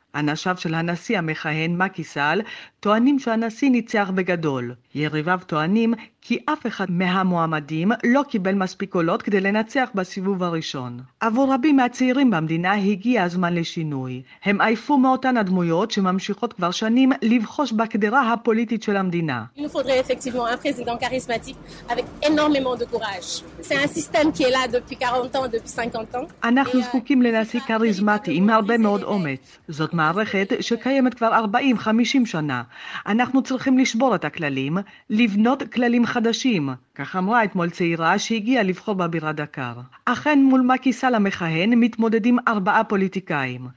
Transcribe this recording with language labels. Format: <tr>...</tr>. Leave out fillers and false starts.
<he>אנשיו של הנשיא המכהן מקי סאל טוענים שהנשיא ניצח בגדול. יריביו טוענים כי אף אחד מהמועמדים לא קיבל מספיק קולות כדי לנצח בסיבוב הראשון. עבור רבים מהצעירים במדינה הגיע הזמן לשינוי. הם עייפו מאותן הדמויות שממשיכות כבר שנים לבחוש בקדרה הפוליטית של המדינה.</he> <fr>Il faudrait effectivement un président charismatique avec énormément de courage. C'est un système qui est là depuis 40 ans, depuis 50 ans.</fr> <he>אנחנו זקוקים לנשיא כריזמטי עם הרבה מאוד אומץ. זאת מערכת שקיימת כבר 40-50 שנה. אנחנו צריכים לשבור את הכללים, לבנות כללים חדשים. כך אמרה אתמול צעירה שהגיעה לבחור בבירה דקר. אכן מול מקי סאל המכהן מתמודדים ארבעה פוליטיקאים.</he>